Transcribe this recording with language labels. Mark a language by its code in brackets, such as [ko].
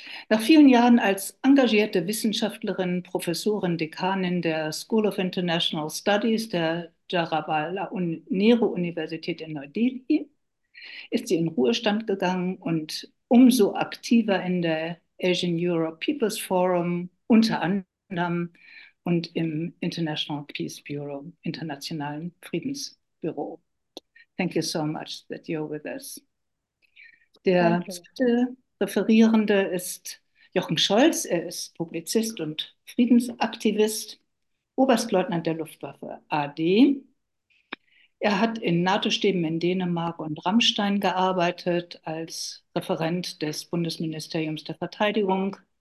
[de] Nach vielen Jahren als engagierte Wissenschaftlerin, Professorin, Dekanin der School of International Studies der Jawaharlal Nehru Universität in Neu-Delhi ist sie in Ruhestand gegangen und umso aktiver in der Asian Europe People's Forum unter anderem und im International Peace Bureau, Internationalen Friedensbüro. [en] Thank you so much that you're with us. [de] Der [en] Thank you. [de] zweite Referierende ist Jochen Scholz. Er ist Publizist und Friedensaktivist, Oberstleutnant der Luftwaffe AD. Er hat in NATO-Stäben in Dänemark und Ramstein gearbeitet als Referent des Bundesministeriums der Verteidigung.